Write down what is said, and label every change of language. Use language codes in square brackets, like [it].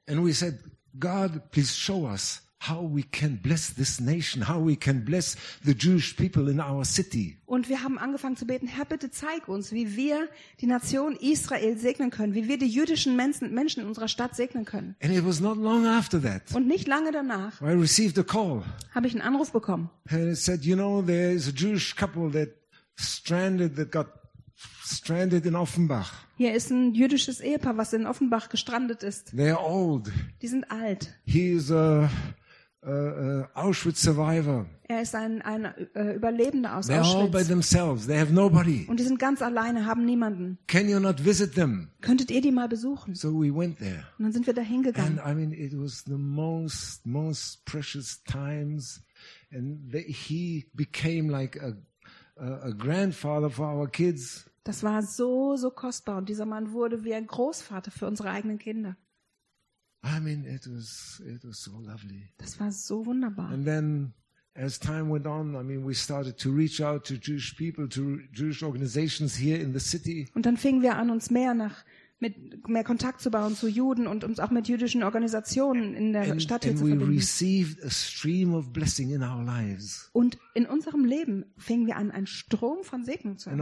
[en] And we said, God, please show us how we can bless this nation, how we can bless the Jewish people in our city. [de] Und wir haben angefangen zu beten, Herr, bitte zeig uns, wie wir die Nation Israel segnen können, wie wir die jüdischen Menschen in unserer Stadt segnen können. [en] And it was not long after that. [de] Und nicht lange danach. [en] I received a call. [de] Habe ich einen Anruf bekommen. [en] And it said, you know, there is a Jewish couple that stranded, that got stranded in Offenbach. [de] Hier ist ein jüdisches Ehepaar, was in Offenbach gestrandet ist. [en] They're old. [de] Die sind alt. [en] He is a Auschwitz survivor. [de] Er ist ein Überlebender aus Auschwitz. [en] They're all by themselves. They have nobody. [de] Und die sind ganz alleine, haben niemanden. [en] Can you not visit them? [de] Könntet ihr die mal besuchen? [en] So we went there. [de] Und dann sind wir da hingegangen. [en] And I mean, it was the most precious times, and he became like a grandfather for our kids. [de] Das war so kostbar, und dieser Mann wurde wie ein Großvater für unsere eigenen Kinder. [en] I mean, it was so lovely. [de] Das war so wunderbar. [en] And then, as time went on, I mean, we started to reach out to Jewish people, to Jewish organizations here in the city. [de] Und dann fingen wir an, uns mehr Kontakt zu bauen zu Juden und uns auch mit jüdischen Organisationen in der Stadt hier zu verbinden. [en] And we received a stream of blessing in our lives. [de] Und in unserem Leben fingen wir an, einen Strom von Segen zu empfangen.